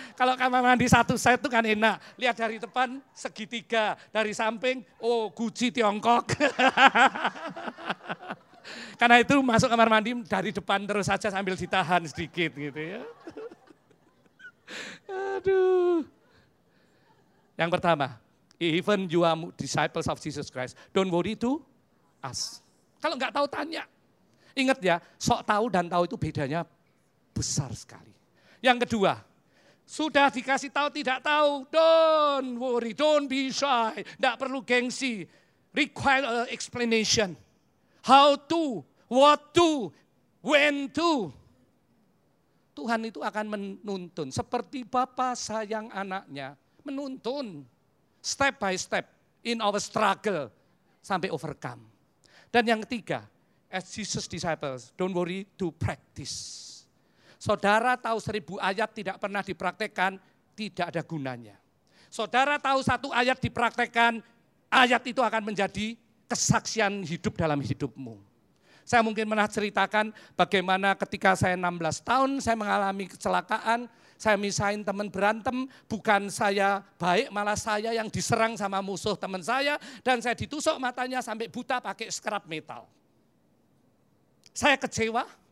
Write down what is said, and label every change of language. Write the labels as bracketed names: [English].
[Indonesian] Kalau kamar mandi satu set itu kan enak. Lihat dari depan, segitiga. Dari samping, oh Gucci Tiongkok. Karena itu masuk kamar mandi dari depan terus saja sambil ditahan sedikit gitu ya. Aduh. Yang pertama, [English] even you are disciples of Jesus Christ, don't worry to ask. [Indonesian] Kalau gak tahu tanya. Ingat ya, sok tahu dan tahu itu bedanya besar sekali. Yang kedua, sudah dikasih tahu tidak tahu, [English] don't worry, don't be shy, [Indonesian] enggak perlu gengsi, [English] require an explanation. How to, what to, when to. [Indonesian] Tuhan itu akan menuntun, seperti Bapa sayang anaknya, menuntun [English] step by step in our struggle [Indonesian] sampai overcome. Dan yang ketiga, [English] as Jesus disciples, don't worry to practice. [Indonesian] Saudara tahu 1000 ayat tidak pernah dipraktekkan, tidak ada gunanya. Saudara tahu 1 ayat dipraktekkan, ayat itu akan menjadi kesaksian hidup dalam hidupmu. Saya mungkin pernah ceritakan bagaimana ketika saya 16 tahun, saya mengalami kecelakaan, saya misahin teman berantem, bukan saya baik, malah saya yang diserang sama musuh teman saya, dan saya ditusuk matanya sampai buta pakai scrap metal. Saya kecewa.